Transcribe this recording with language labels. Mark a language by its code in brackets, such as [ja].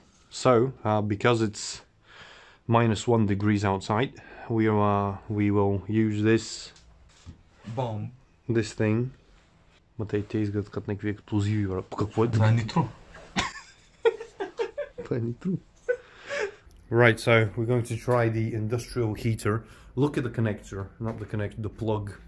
[en] So, because it's minus 1 degrees outside, we will use this bomb. This thing. [bg] Ма те изглед като някакви експлозиви, бра. Какво е? Това е нитро. Това е нитро. [en] Right, so we're going to try the industrial heater. Look at the connector, not the connector, the plug.